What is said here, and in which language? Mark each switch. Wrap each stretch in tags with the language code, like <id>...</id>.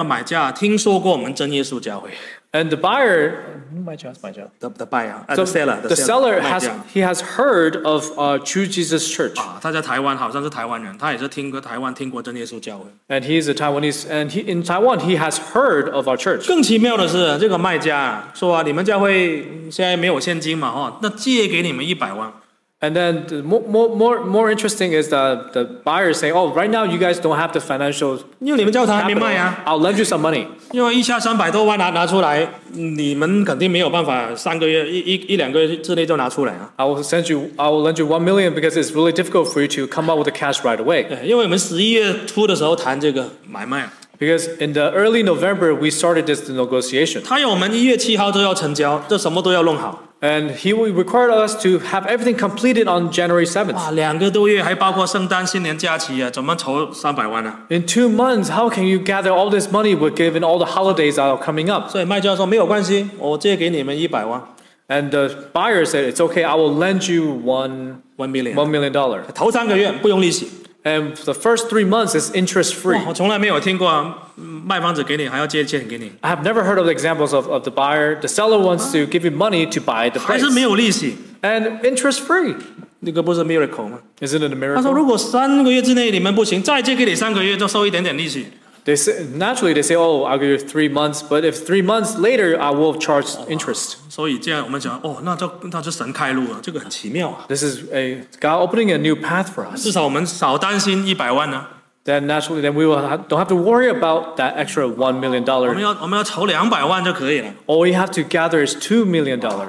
<zh>后来那个打听，原来那个买家听说过我们真耶稣教会。</zh> <en>And the buyer, the seller has heard of True Jesus Church.</en> <zh>他在台湾，好像是台湾人，他也是听过台湾真耶稣教会。And</zh> <en>he is a Taiwanese, and in Taiwan he has heard of our church.</en> <zh>更奇妙的是，这个卖家说，你们教会现在没有现金嘛，那借给你们100万。</zh> <en>And then the more interesting is the buyer say, oh, right now you guys don't have the financial capital. I'll lend you some money.</en> <zh>因为一下300多万拿出来，你们肯定没有办法三个月一两个月之内就拿出来啊。</zh> <en>I will lend you 1 million because it's really difficult for you to come up with the cash right away.</en> <zh>因为我们11月初的时候谈这个买卖啊。</zh> <en>Because in the early November, we started this negotiation.</en> <zh>他要我们1月7号都要成交，这什么都要弄好。</zh> <en>And he required us to have everything completed on January 7th.</en> <zh>哇，两个多月还包括圣诞、新年假期啊，怎么筹300万呢？</zh> <en>In 2 months, how can you gather all this money given all the holidays that are coming up?</en> <zh>所以卖家说没有关系，我借给你们100万。</zh> <en>And the buyer said, "It's okay, I will lend you $1 million.</en> <zh>头3个月不用利息。</zh> <en>And the first 3 months is interest free.</en> <zh>我从来没有听过卖房子给你还要借钱给你。</zh> <en>I have never heard of the examples of the buyer. The seller wants to give you money to buy the place.</en> <zh>还是没有利息。</zh> <en>And interest free.</en> <zh>那个不是 miracle 吗？</zh> <en>Isn't it a miracle?</en> <zh>他说如果3个月之内你们不行，再借给你3个月就收一点点利息。</zh> <en>They say, naturally, they say, oh, I'll give you 3 months, but if 3 months later, I will charge interest.</en> <zh>所以这样我们讲，哦，那就神开路了，这个很奇妙啊。</zh> <en>This is a God opening a new path for us.</en> <zh>至少我们少担心100万呢。</zh> <en>Then naturally, then we will don't have to worry about that extra $1 million.</en> <zh>我们要筹200万就可以了。</zh> <en>All we have to gather is $2 million.</en>